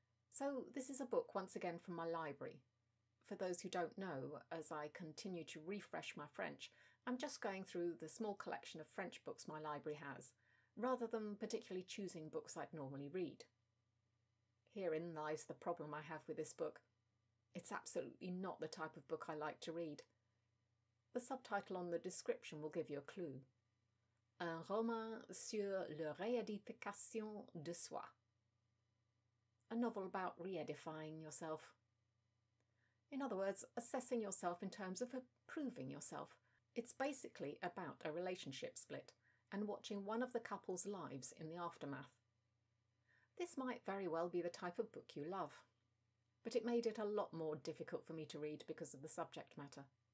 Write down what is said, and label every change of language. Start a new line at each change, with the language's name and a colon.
English: So this is a book once again from my library. For those who don't know, as I continue to refresh my French, I'm just going through the small collection of French books my library has, rather than particularly choosing books I'd normally read. Herein lies the problem I have with this book. It's absolutely not the type of book I like to read. The subtitle on the description will give you a clue.
French: Un roman sur la réédification de soi.
English: A novel about re-edifying yourself. In other words, assessing yourself in terms of approving yourself. It's basically about a relationship split and watching one of the couple's lives in the aftermath. This might very well be the type of book you love, but it made it a lot more difficult for me to read because of the subject matter.